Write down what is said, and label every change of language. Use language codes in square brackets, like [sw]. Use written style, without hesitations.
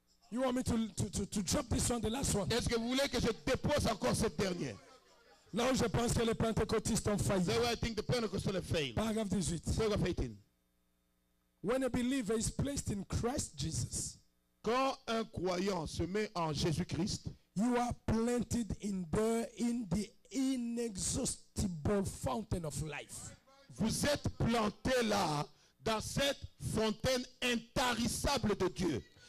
[en] you want me to drop this one, the last one. [fr] Est-ce que vous voulez que je dépose encore cette dernière? Là où je pense que les pentecôtistes ont failli. [en] That's where I think the Pentecostals have failed. Paragraph 18. Paragraph 18. When a believer is placed in Christ Jesus, [fr] quand un croyant se met en Jésus Christ, [en] you are planted in the inexhaustible fountain of life. [fr] Vous êtes planté là dans cette fontaine intarissable de Dieu.